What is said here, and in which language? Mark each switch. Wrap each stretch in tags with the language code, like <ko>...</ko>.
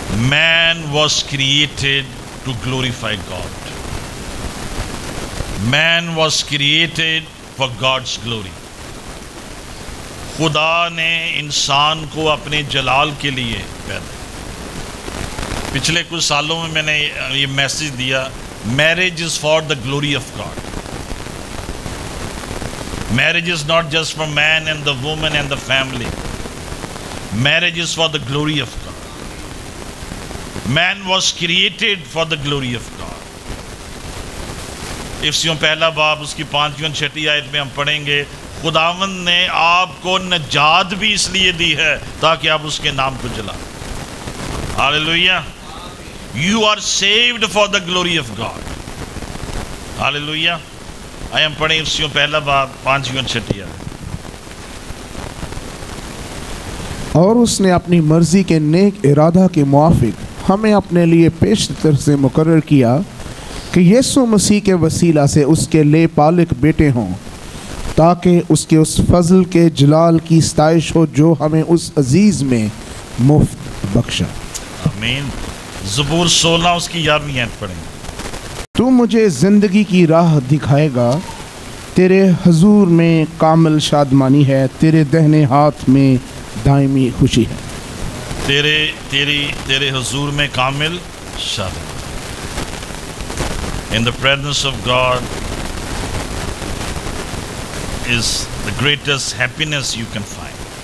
<en>Man was created to glorify God. Man was created for God's glory.</en> <ur>خدا نے انسان کو اپنے جلال کے لیے پیدا کیا. پچھلے کچھ سالوں میں میں نے یہ میسج دیا,</ur> <en>Marriage is for the glory of God. Marriage is not just for man and the woman and the family. Marriage is for the glory of God. Man was created for the glory of God.</en> <ur>افسیوں پہلا باب اس کی پانچویں چھٹی آیت میں ہم پڑھیں گے, خداوند نے آپ کو نجات بھی اس لیے دی ہے تاکہ آپ اس کے نام کو جلا.</ur> <en>Hallelujah. You are saved for the glory of God.</en> <ur>Hallelujah.</ur> <en>I am</en> <ur>پڑھیں افسیوں پہلا باب پانچویں چھٹی آیت. اور اس نے اپنی مرضی کے نیک ارادہ کے موافق ہمیں اپنے لیے پیشتر سے مقرر کیا کہ یسوع مسیح کے وسیلہ سے اس کے لے پالک بیٹے ہوں, تاکہ اس کے اس فضل کے جلال کی ستائش ہو جو ہمیں اس عزیز میں مفت بخشا. آمین. زبور 16 اس کی 11 آیت پڑھیں. تو مجھے زندگی کی راہ دکھائے گا, تیرے حضور میں کامل شادمانی ہے, تیرے دہنے ہاتھ میں دائمی خوشی ہے. تیرے حضور میں کامل شادمانی.</ur> <en>In the presence of God is the greatest happiness you can find.</en>